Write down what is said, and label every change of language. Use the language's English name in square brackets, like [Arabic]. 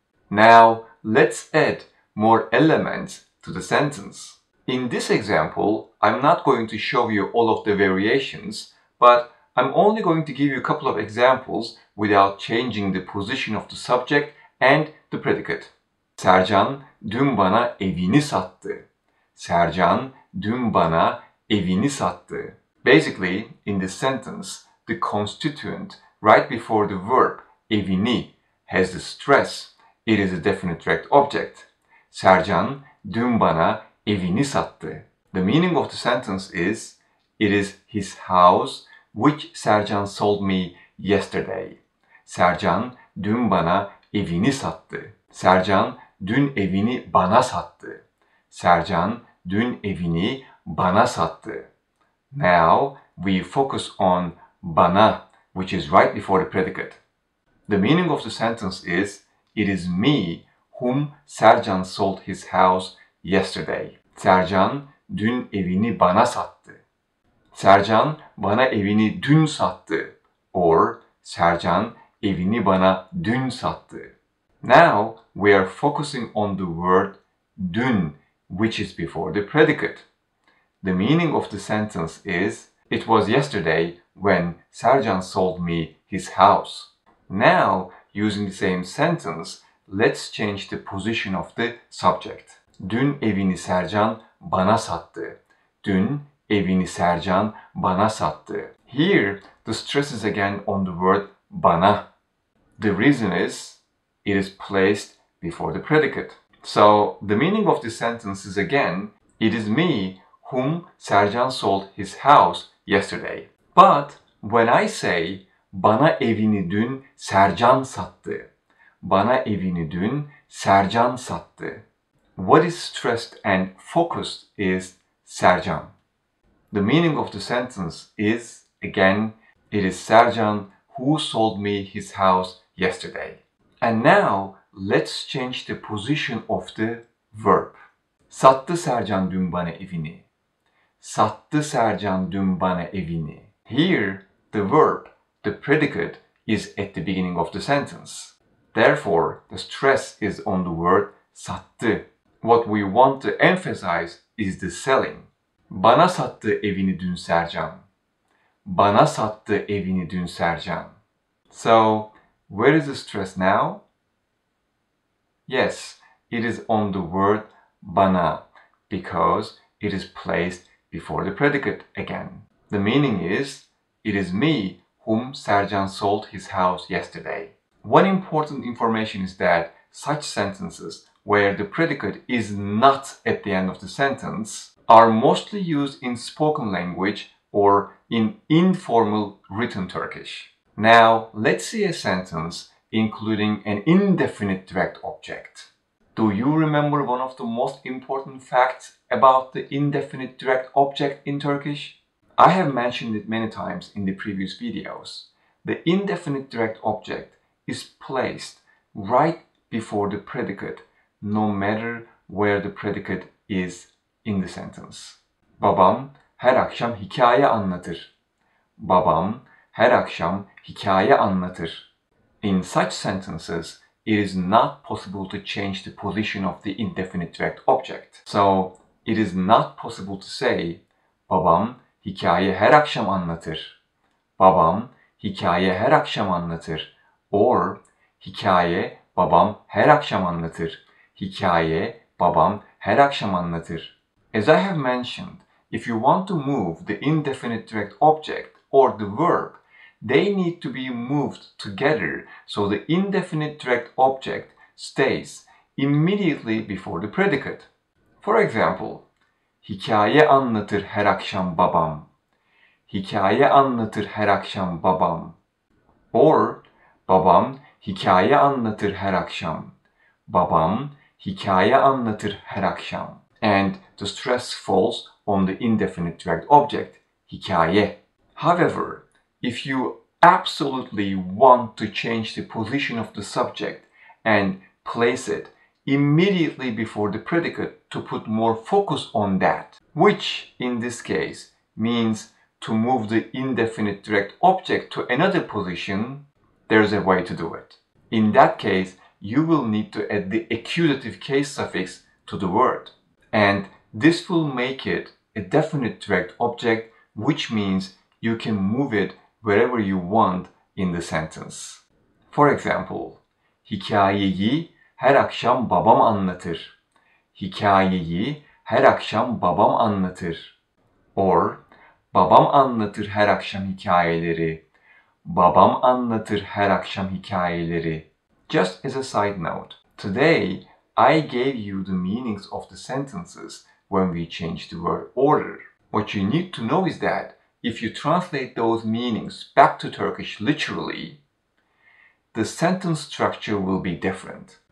[English] Now, let's add more elements to the sentence. In this example, I'm not going to show you all of the variations, but I'm only going to give you a couple of examples without changing the position of the subject and the predicate. [Turkish] Sercan dün bana evini sattı. Sercan dün bana evini sattı. [English] Basically, in this sentence, the constituent right before the verb evini has the stress. It is a definite direct object. [Turkish] Sercan dün bana evini sattı. [English] The meaning of the sentence is it is his house which Sercan sold me yesterday. [Turkish] Sercan dün bana evini sattı. Sercan dün evini bana sattı. Sercan dün evini bana sattı. [English] Now we focus on bana, which is right before the predicate. The meaning of the sentence is it is me whom Sercan sold his house yesterday. [Turkish] Sercan dün evini bana sattı. Sercan bana evini dün sattı. Or Sercan evini bana dün sattı. [English] Now we are focusing on the word dün, which is before the predicate. The meaning of the sentence is, it was yesterday when Sercan sold me his house. Now, using the same sentence, let's change the position of the subject. [Turkish] Dün evini Sercan bana sattı. Dün evini Sercan bana sattı. [English] Here, the stress is again on the word bana. The reason is, it is placed before the predicate. So, the meaning of this sentence is again, it is me whom Sercan sold his house yesterday. But when I say, [Turkish] bana evini dün Sercan sattı. Bana evini dün Sercan sattı. [English] What is stressed and focused is Sercan. The meaning of the sentence is, again, it is Sercan who sold me his house yesterday. And now, let's change the position of the verb. [Turkish] Sattı Sercan dün bana evini. Sattı Sercan dün bana evini. [English] Here, the verb, the predicate, is at the beginning of the sentence. Therefore, the stress is on the word sattı. What we want to emphasize is the selling. [Turkish] Bana sattı evini dün Sercan. Bana sattı evini dün Sercan. [English] So, where is the stress now? Yes, it is on the word bana, because it is placed before the predicate again. The meaning is, it is me whom Sercan sold his house yesterday. One important information is that such sentences where the predicate is not at the end of the sentence are mostly used in spoken language or in informal written Turkish. Now, let's see a sentence including an indefinite direct object. Do you remember one of the most important facts about the indefinite direct object in Turkish? I have mentioned it many times in the previous videos. The indefinite direct object is placed right before the predicate, no matter where the predicate is in the sentence. [Turkish] Babam her akşam hikaye anlatır. Babam her akşam hikaye anlatır. [English] In such sentences, it is not possible to change the position of the indefinite direct object. So, it is not possible to say, [Turkish] babam hikaye her akşam anlatır. Babam hikaye her akşam anlatır. [English] Or, [Turkish] hikaye babam her akşam anlatır. Hikaye babam her akşam anlatır. [English] As I have mentioned, if you want to move the indefinite direct object or the verb, they need to be moved together so the indefinite direct object stays immediately before the predicate. For example, [Turkish] hikaye anlatır her akşam babam. Hikaye anlatır her akşam babam. [English] Or, [Turkish] babam hikaye anlatır her akşam. Babam hikaye anlatır her akşam. [English] And the stress falls on the indefinite direct object, hikaye. However, if you absolutely want to change the position of the subject and place it immediately before the predicate to put more focus on that, which in this case means to move the indefinite direct object to another position, there's a way to do it. In that case, you will need to add the accusative case suffix to the word. And this will make it a definite direct object, which means you can move it wherever you want in the sentence. For example, [Turkish] hikayeyi her akşam babam anlatır. Hikayeyi her akşam babam anlatır. [English] Or, [Turkish] babam anlatır her akşam hikayeleri. Babam anlatır her akşam hikayeleri. [English] Just as a side note, today I gave you the meanings of the sentences when we change the word order. What you need to know is that if you translate those meanings back to Turkish literally, the sentence structure will be different.